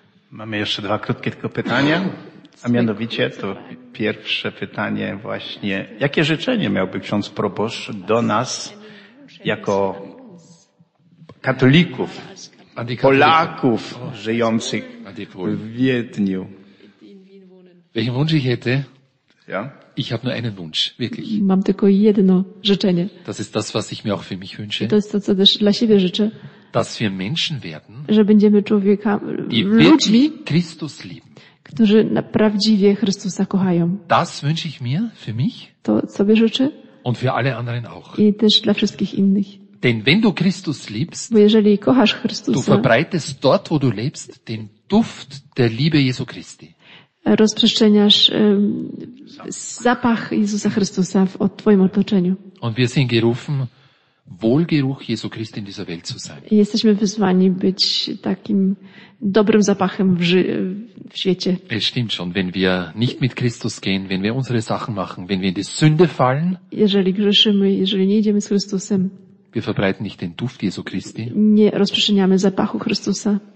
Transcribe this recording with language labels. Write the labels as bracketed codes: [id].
[pl] Mamy jeszcze dwa krótkie tylko pytania. A mianowicie to pierwsze pytanie właśnie. Jakie życzenie miałby ksiądz proboszcz do nas jako katolików, Polaków żyjących w Wiedniu. [de] Welchen Wunsch ich hätte? Ja? Ich habe nur einen Wunsch, wirklich. [pl] Mam tylko jedno życzenie. [de] Das ist das, was ich mir auch für mich wünsche. [pl] To jest to, co też dla siebie życzę. [de] Dass wir Menschen werden, [pl] że będziemy człowiekami, ludźmi, [de] Christus lieben, [pl] którzy prawdziwie Chrystusa kochają. [de] Das wünsche ich mir für mich. [pl] To sobie życzę. [de] Und für alle anderen auch. [pl] I też dla wszystkich innych. [de] Denn wenn du Christus liebst, [pl] bo jeżeli kochasz Chrystusa, [de] du verbreitest dort, wo du lebst, den Duft der Liebe Jesu Christi. [pl] Rozprzestrzeniasz zapach Jezusa Chrystusa w twoim otoczeniu. [de] Und wir sind gerufen, Wohlgeruch Jesu Christi in dieser Welt zu sein. [pl] Jesteśmy wyzwani być takim dobrym zapachem w świecie. [de] Es stimmt schon, wenn wir nicht mit Christus gehen, wenn wir unsere Sachen machen, wenn wir in die Sünde fallen, [pl] jeżeli grzeszymy, jeżeli nie idziemy z Chrystusem, [de] wir verbreiten nicht den Duft Jesu Christi, [pl] nie rozprzestrzeniamy zapachu Chrystusa,